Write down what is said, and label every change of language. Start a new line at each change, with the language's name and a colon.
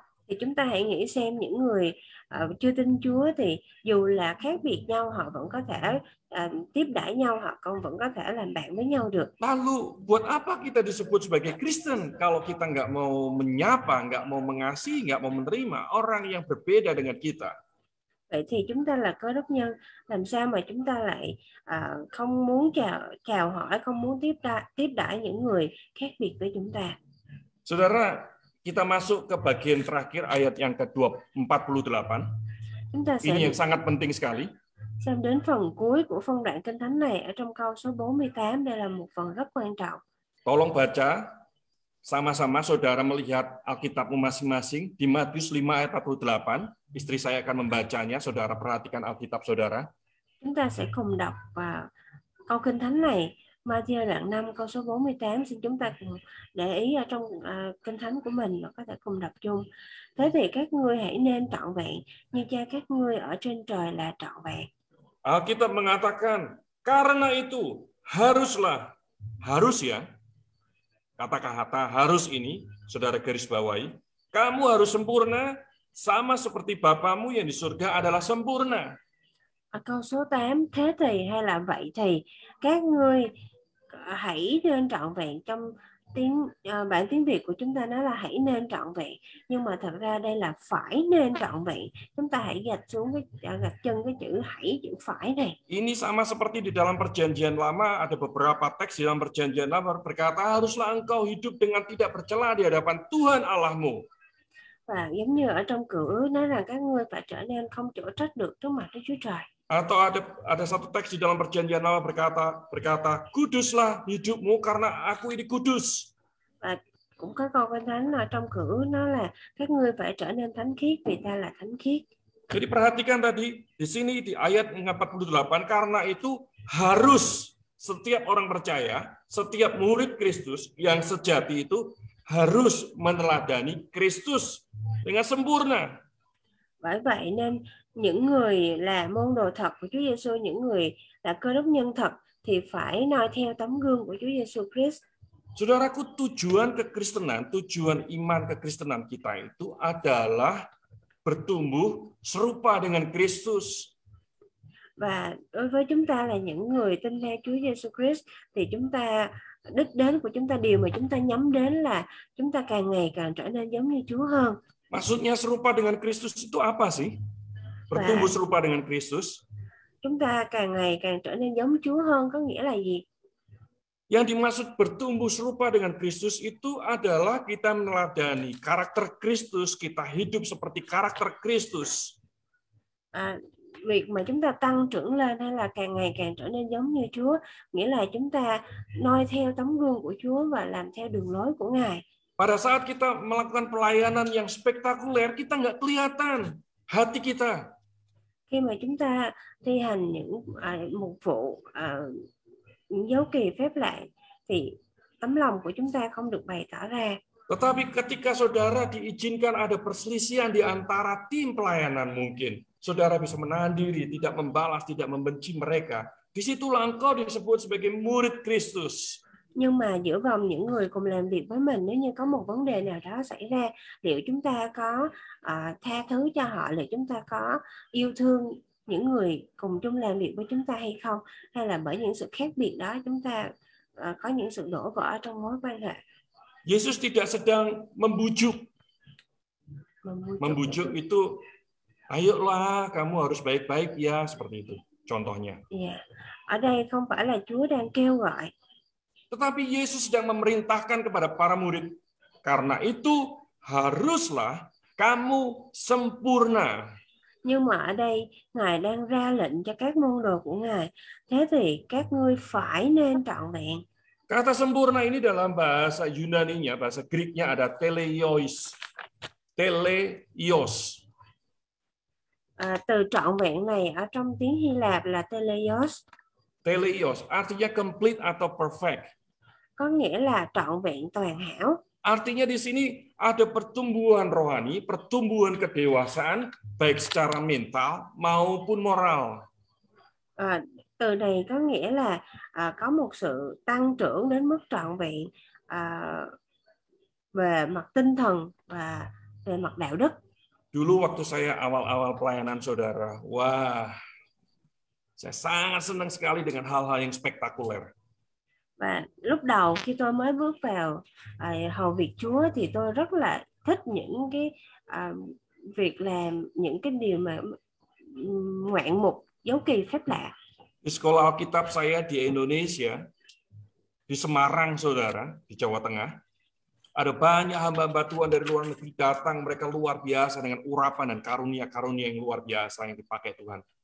Vietnamese: Thì chúng ta hãy nghĩ xem những người chưa tin Chúa thì dù là khác biệt nhau họ vẫn có thể tiếp đãi nhau, họ còn vẫn có thể làm bạn với nhau được.
Indonesian: Lalu buat apa kita disebut sebagai Kristen kalau kita enggak mau menyapa, enggak mau mengasihi, enggak mau menerima orang yang berbeda dengan kita?
Vietnamese: Vậy thì chúng ta là Cơ Đốc nhân, làm sao mà chúng ta lại không muốn chào hỏi, không muốn tiếp đãi những người khác biệt với chúng ta?
Indonesian: Saudara, kita masuk ke bagian terakhir ayat yang ke-48. Ini yang sangat penting sekali.
Vietnamese: Sampai đến phần cuối của phân đoạn Kinh Thánh này ở trong câu số 48, đây là một phần rất quan trọng.
Indonesian: Tolong baca sama-sama saudara melihat Alkitabmu masing-masing di Matius 5 ayat 48. Istri saya akan membacanya, saudara perhatikan Alkitab saudara.
Vietnamese: Kita sẽ cùng đọc câu Kinh Thánh này, Matius đoạn 5 câu số 48, xin chúng ta cùng để ý ở trong Kinh Thánh của mình và có thể cùng đọc chung. Thế thì các ngươi hãy nên trọn vẹn như Cha các ngươi ở trên trời là trọn vẹn.
Indonesian: Alkitab mengatakan, karena itu kata-kata harus ini, saudara garis bawahi, kamu harus sempurna sama seperti Bapamu yang di surga adalah sempurna.
Vietnamese: Câu số 8, thế thì hay là vậy thì các ngươi hãy nên trọn vẹn, trong tiếng bản tiếng Việt của chúng ta nói là hãy nên trọn vẹn, nhưng mà thật ra đây là phải nên trọn vẹn. Chúng ta hãy gạch xuống gạch chân cái chữ hãy, chữ phải này.
Indonesian: Ini sama seperti di dalam Perjanjian Lama, ada beberapa teks di dalam Perjanjian Lama berkata, haruslah engkau hidup dengan tidak bercela di hadapan Tuhan Allahmu.
Vietnamese: Và giống như ở trong Cựu Ước nói rằng các ngươi phải trở nên không chỗ trách được trước mặt Đức Chúa Trời.
Indonesian: Atau ada satu teks di dalam Perjanjian Lama berkata kuduslah hidupmu karena aku ini kudus.
Vietnamese: Và cũng có câu Kinh Thánh ở trong Cựu Ước nói là các ngươi phải trở nên thánh khiết vì ta là thánh khiết.
Indonesian: Jadi perhatikan tadi di sini di ayat 48, karena itu harus setiap orang percaya, setiap murid Kristus yang sejati itu harus meneladani Kristus dengan sempurna.
Vietnamese: Bởi vậy nên những người là môn đồ thật của Chúa Giêsu, những người là Cơ Đốc nhân thật thì phải noi theo tấm gương của Chúa Giêsu Christ.
Indonesian: Saudaraku, tujuan kekristenan, tujuan iman kekristenan kita itu adalah bertumbuh serupa dengan Kristus.
Vietnamese: Và đối với chúng ta là những người tin theo Chúa Giêsu Christ thì chúng ta đích đến của chúng ta, điều mà chúng ta nhắm đến là chúng ta càng ngày càng trở nên giống như Chúa hơn.
Indonesian: Maksudnya serupa dengan Kristus itu apa sih? Bertumbuh và serupa dengan Kristus.
Vietnamese: Chúng ta càng ngày càng trở nên giống Chúa hơn có nghĩa là gì?
Indonesian: Yang dimaksud bertumbuh serupa dengan Kristus itu adalah kita meneladani karakter Kristus, kita hidup seperti karakter Kristus.
Vietnamese: Việc mà chúng ta tăng trưởng lên hay là càng ngày càng trở nên giống như Chúa nghĩa là chúng ta noi theo tấm gương của Chúa và làm theo đường lối của Ngài.
Indonesian: Pada saat kita melakukan pelayanan yang spektakuler, kita nggak kelihatan hati kita.
Vietnamese: Khi mà chúng ta thi hành những mục vụ dấu kỳ phép lạ thì tấm lòng của chúng ta không được bày tỏ ra.
Indonesian: Tetapi ketika saudara diizinkan ada perselisihan di antara tim pelayanan, mungkin saudara bisa menahan diri, tidak membalas, tidak membenci mereka. Di situ engkau disebut sebagai murid Kristus.
Vietnamese: Nhưng mà giữa vòng những người cùng làm việc với mình, nếu như có một vấn đề nào đó xảy ra, liệu chúng ta có tha thứ cho họ, liệu chúng ta có yêu thương những người cùng chung làm việc với chúng ta hay không? Hay là bởi những sự khác biệt đó chúng ta có những sự đổ vỡ trong mối quan hệ?
Indonesian: Yesus tidak sedang membujuk. Membujuk itu, ayolah kamu harus baik-baik ya, seperti itu contohnya.
Vietnamese: Yeah. Ở đây không phải là Chúa đang kêu gọi.
Indonesian: Tetapi Yesus sedang memerintahkan kepada para murid, karena itu haruslah kamu sempurna.
Vietnamese: Nhưng mà ở đây Ngài đang ra lệnh cho các môn đồ của Ngài, thế thì các ngươi phải nên trọn vẹn.
Indonesian: Kata sempurna ini dalam bahasa Yunani-nya, bahasa Greek-nya ada teleios. Teleios.
Vietnamese: Từ trọn vẹn này ở trong tiếng Hy Lạp là teleios.
Indonesian: Teleios artinya complete atau perfect.
Vietnamese: Có nghĩa là trọn vẹn toàn hảo.
Indonesian: Artinya di sini ada pertumbuhan rohani, pertumbuhan kedewasaan baik secara mental maupun moral.
Vietnamese: Từ này có nghĩa là có một sự tăng trưởng đến mức trọn vẹn về mặt tinh thần và về mặt đạo đức.
Indonesian: Dulu waktu saya awal-awal pelayanan saudara, wah, saya sangat senang sekali dengan hal-hal yang spektakuler.
Vietnamese: Và lúc đầu khi tôi mới bước vào hầu việc Chúa thì tôi rất là thích những cái việc làm, những cái điều mà ngoạn mục, dấu kỳ phép lạ.
Indonesian: Di sekolah Alkitab saya di Indonesia, di Semarang, saudara, di Jawa Tengah, ada banyak hamba-hamba Tuhan dari luar negeri datang, mereka luar biasa dengan urapan dan karunia-karunia yang luar biasa yang dipakai Tuhan.